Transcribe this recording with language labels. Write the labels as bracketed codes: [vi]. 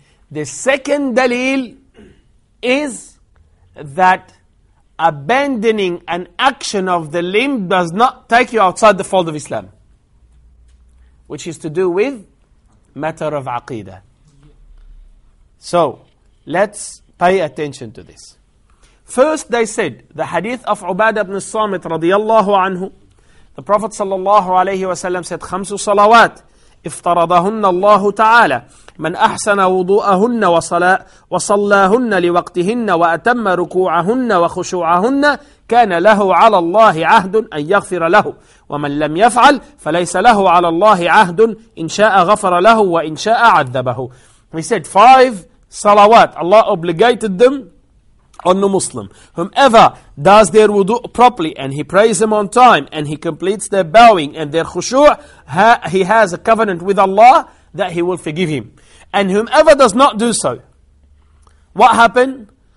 [en] The second dalil is that abandoning an action of the limb does not take you outside the fold of Islam, which is to do with matter of aqidah. So let's pay attention to this. First, they said the hadith of Ubadah ibn Samit radiyallahu anhu, the Prophet sallallahu alayhi wa sallam said, [ar] خمس صلوات افترضهن الله تعالى من أحسن وضوءهن وصلاهن لوقتهن وأتم ركوعهن وخشوعهن كان له على الله عهد أن يغفر له ومن لم يفعل فليس له على الله عهد إن شاء غفر له وإن شاء عذبه. [en] He said five salawat. Allah obligated them on the Muslim. Whomever does their wudu properly and he prays them on time and he completes their bowing and their khushu', he has a covenant with Allah that he will forgive him. And whomever does not do so, what happened?